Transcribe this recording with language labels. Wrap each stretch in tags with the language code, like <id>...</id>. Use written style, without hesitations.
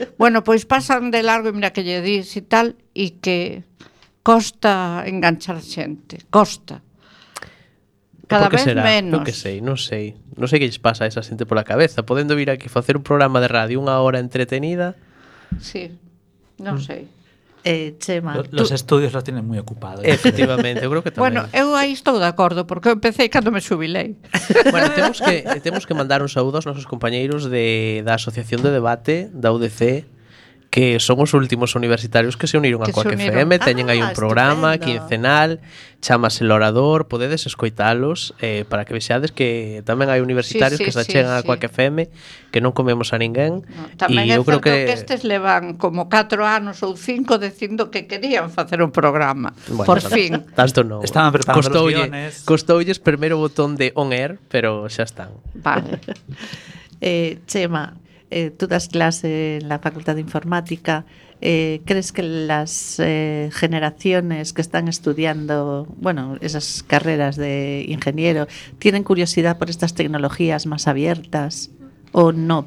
<gl>Bueno, pois pasan de largo e mira que lle dis e tal, e que costa enganchar xente, costa. Cada vez será? Menos. Eu que sei, non sei que lles pasa a esa xente pola cabeza, podendo vir aquí facer un programa de radio unha hora entretenida. Sí, non sei. Chema,</gl> <es>Los estudios los tienen muy ocupados. Efectivamente, yo creo que también. Bueno, yo ahí estoy de acuerdo, porque empecé cuando me jubilei. Bueno, tenemos que mandar un saludo a nuestros compañeros de la Asociación de Debate, de UDC,</es> <gl>que son os últimos universitarios que se uniron a Quack FM, teñen aí un programa quincenal, chamase El Orador, podedes escoitalos para que vexades que tamén hai universitarios que se achegan a Quack FM, que non comemos a ninguén. Tamén é certo que estes levan como 4 anos ou 5 dicindo que querían facer un programa, bueno, por fin. Tanto non. Estaban preparando os guiones. Costoulles primeiro botón de on air, pero xa están. Vale.</gl> <es>Chema, tú das clase en la Facultad de Informática. ¿Crees que las generaciones que están estudiando, bueno, esas carreras de ingeniero, tienen curiosidad por estas tecnologías más abiertas o no?</es>